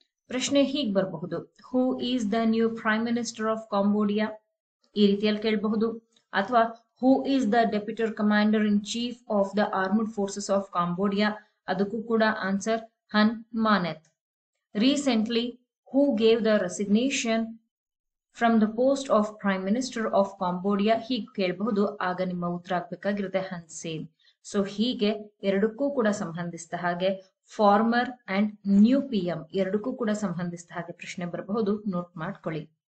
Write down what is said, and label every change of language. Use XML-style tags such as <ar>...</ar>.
<kn>ಪ್ರಶ್ನೆ ಹೀಗ್ ಬರಬಹುದು,</kn> <en>who is the new prime minister of Cambodia,</en> <kn>ಈ ರೀತಿಯಲ್ಲಿ ಕೇಳಬಹುದು.</kn> <en>ಅಥವಾ who is the deputy commander in chief of the armed forces of Cambodia,</en> <kn>ಅದಕ್ಕೂ ಕೂಡ ಆನ್ಸರ್</kn> <en>Hun Manet. Recently who gave the resignation from the post of Prime Minister of Cambodia?</en> <kn>ಹೀಗೆ ಕೇಳಬಹುದು. ಆಗ ನಿಮ್ಮ ಉತ್ತರ ಆಗ್ಬೇಕಾಗಿರುತ್ತೆ ಹನ್ಸೇನ್. ಸೊ ಹೀಗೆ ಎರಡಕ್ಕೂ ಕೂಡ ಸಂಬಂಧಿಸಿದ ಹಾಗೆ</kn> <en>former and new P M</en> <kn>ಎರಡಕ್ಕೂ ಕೂಡ ಸಂಬಂಧಿಸಿದ ಹಾಗೆ ಪ್ರಶ್ನೆ ಬರಬಹುದು. ನೋಟ್ ಮಾಡ್ಕೊಳ್ಳಿ.</kn>